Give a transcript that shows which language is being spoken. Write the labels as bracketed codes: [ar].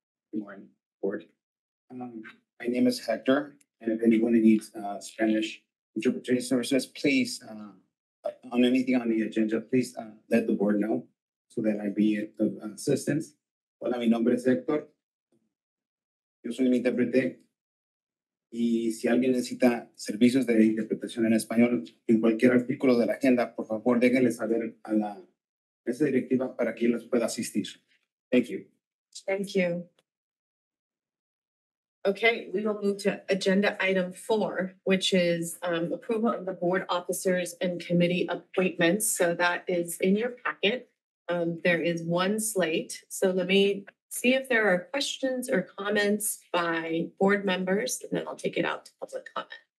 [en] Good morning, board. My name is Hector. And if anyone needs Spanish interpretation services, please, on anything on the agenda, please let the board know so that I be of assistance. [es] Hola, mi nombre es Hector. Yo soy un intérprete y si alguien necesita servicios de interpretación en español en cualquier artículo de la agenda, por favor, déjenle saber a la mesa directiva para que les pueda asistir. [en] Thank you. Thank you. Okay, we will move to agenda item 4, which is approval of the board officers and committee appointments. So that is in your packet. There is one slate. So let me see if there are questions or comments by board members, and then I'll take it out to public comment.